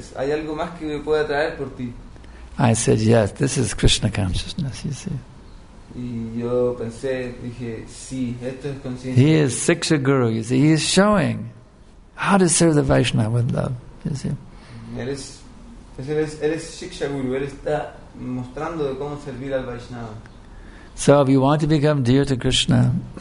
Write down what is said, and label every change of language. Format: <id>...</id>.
<es>¿Hay algo más que me pueda traer por ti?</es> <en>I said, yes, this is Krishna consciousness, you see.</en> <es>Y yo pensé, dije, sí, esto es consciencia.</es> <en>He is Siksha Guru, you see. He is showing how to serve the Vaishnava with love, you see.</en> <es>Eres Siksha Guru. Él está mostrando de cómo servir al Vaishnava.</es> <en>So if you want to become dear to Krishna,</en>